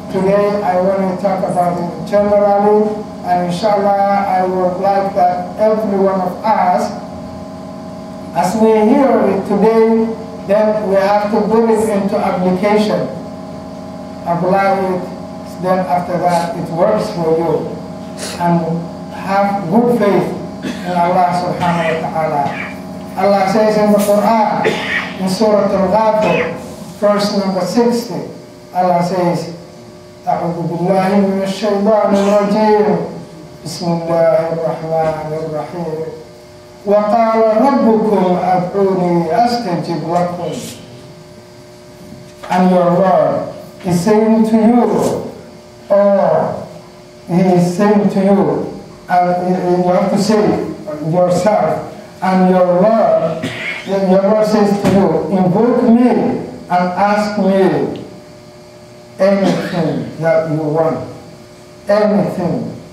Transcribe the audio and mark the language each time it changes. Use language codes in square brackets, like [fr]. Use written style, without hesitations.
[en] Today, I want to talk about it generally. And inshallah, I would like that every one of us, as we hear it today, then we have to put it into application. Apply it, then after that, it works for you. And have good faith in Allah subhanahu wa ta'ala. Allah says in the Quran, in Surah Al-Ghafir, verse number 60, Allah says, [ar] أَعُوذُ بِاللَّهِ مِنَ الشَّيْطَانِ الرَّجِيمِ بِسْمِ اللَّهِ الرَّحْمَنِ الرَّحِيمِ وَقَالَ رَبُّكُمْ أَدْعُونِي أَسْتَجِبْ لَكُمْ. [en] And your Lord is saying to you, or He is saying to you, and you have to say yourself, and your Lord, your Lord says to you, invoke me and ask me anything that you want, anything.